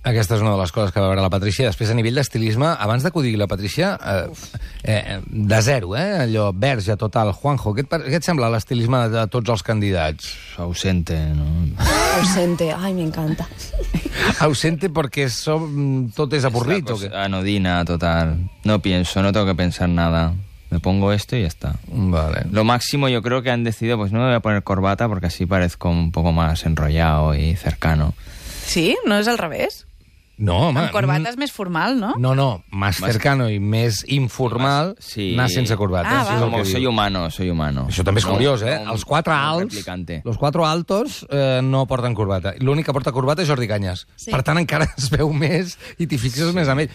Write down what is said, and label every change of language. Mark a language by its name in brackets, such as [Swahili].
[Catalan] Aquesta és una de les coses que va veure la Patrícia. Després, a nivell d'estilisme, abans que ho digui la Patrícia, de zero, eh? Allò, verge total. Juanjo, què et sembla l'estilisme de tots els candidats? Ausente, no? Ausente, ai, m'encanta. Ausente perquè tot és avorrit, o què? Anodina, total. [Spanish] No pienso, no tengo que pensar nada. Me pongo esto y ya está. Vale. Lo máximo yo creo que han decidido, pues no me voy a poner corbata porque así parezco un poco más enrollado y cercano. [Catalan] Sí, no és al revés. No, home. Amb corbata és més formal, no? No, no, [Spanish] más cercano [Catalan] y més informal, sí. Anar sense corbata. Ah, és el que [Spanish] soy humano, soy humano. [Catalan] Això també és curiós, eh? Els quatre alts, [Spanish] los cuatro altos, [Catalan] no porten corbata. L'únic que porta corbata és Jordi Canyes. Sí. Per tant, encara es veu més i t'hi fixes més amb ell.